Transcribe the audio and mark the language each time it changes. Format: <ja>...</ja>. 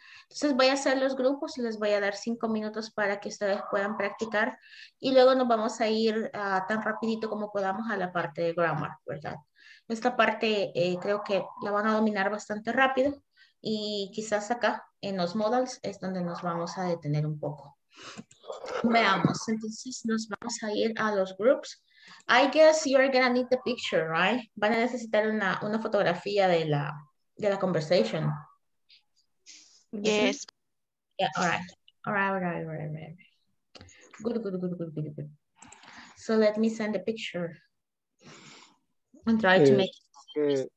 <es>Entonces voy a hacer los grupos, les voy a dar 5 minutos para que ustedes puedan practicar y luego nos vamos a ir tan rapidito como podamos a la parte de grammar, ¿verdad? Esta parte creo que la van a dominar bastante rápido y quizás acá en los modals es donde nos vamos a detener un poco. Veamos, entonces nos vamos a ir a los groups.</es> <en>I guess you are gonna need the picture, right?</en> <es>Van a necesitar una fotografía de la conversation.</es> <en>Yes. Yeah, all right. Good, good. So let me send a picture and try to make it.</en>